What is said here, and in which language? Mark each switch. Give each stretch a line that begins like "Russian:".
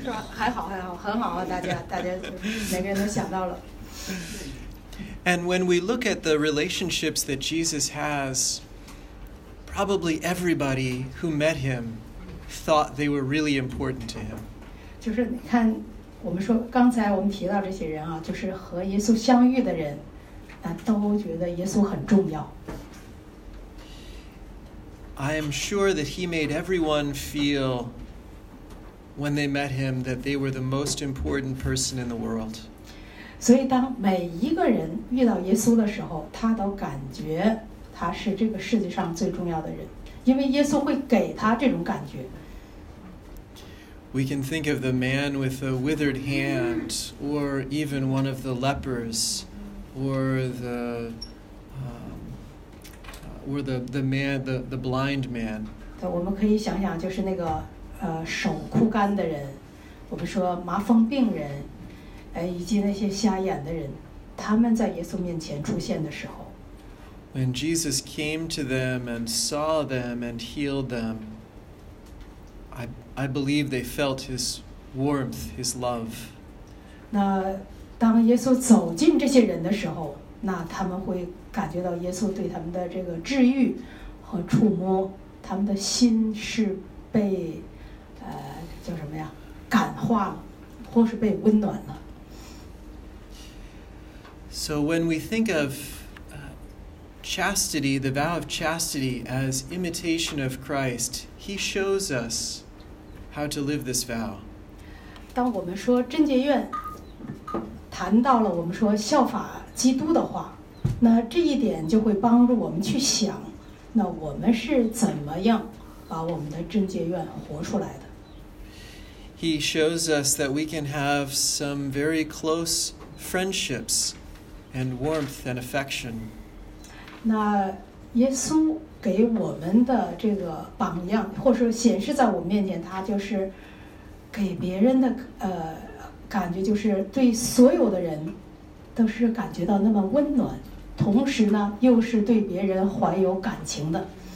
Chinese: 还好还好很好啊大家每个人都想到了。
English: And when we look at the relationships that Jesus has, probably everybody who met him thought they were really important to him.
Chinese: 就是你看我们说刚才我们提到这些人啊就是和耶稣相遇的人那都觉得耶稣很重要。
English: I am sure that he made everyone feel when they met him that they were the most important person in the world.
Chinese: 所以当每一个人遇到耶稣的时候他都感觉他是这个世界上最重要的人因为耶稣会给他这种感觉。
English: We can think of the man with the withered hand or even one of the lepers or the blind man.
Chinese: 对我们可以想想就是那个手枯干的人我们说麻风病人以及那些瞎眼的人他们在耶稣面前出现的时候
English: When Jesus came to them and saw them and healed them I believe they felt his warmth, his love
Chinese: 那当耶稣走进这些人的时候那他们会感觉到耶稣对他们的这个治愈和触摸他们的心是被叫什么呀？感化了，或是被温暖了。
English: So when we think of chastity, the vow of chastity as imitation of Christ, he shows us how to live this vow.
Chinese: 当我们说贞洁愿，谈到了我们说效法基督的话，那这一点就会帮助我们去想，那我们是怎么样把我们的贞洁愿活出来的。
English: He shows us that we can have some very close friendships and warmth and affection.
Chinese: 那耶稣给我们的这个榜样，或者显示在我们面前，他就是给别人的感觉就是对所有的人都是感觉到那么温暖，同时呢又是对别人怀有感情的。